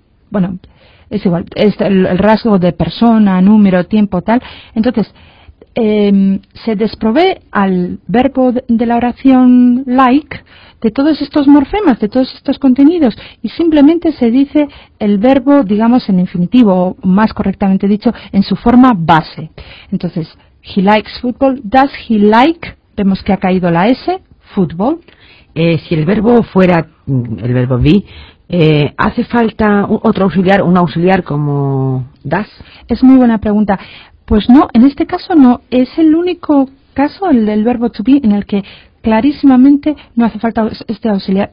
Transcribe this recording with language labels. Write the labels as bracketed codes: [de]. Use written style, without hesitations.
[es] bueno, es igual, es el rasgo de persona, número, tiempo, tal, entonces se desprovee al verbo de la oración like de todos estos morfemas, de todos estos contenidos, y simplemente se dice el verbo, digamos, en infinitivo, o más correctamente dicho, en su forma base. Entonces, [en] he likes football, does he like, [es] vemos que ha caído la S, football. Si el verbo fuera el verbo be, ¿hace falta otro auxiliar, un auxiliar como does? Es muy buena pregunta. Pues no, en este caso no, es el único caso, el del verbo to be, en el que clarísimamente no hace falta este auxiliar.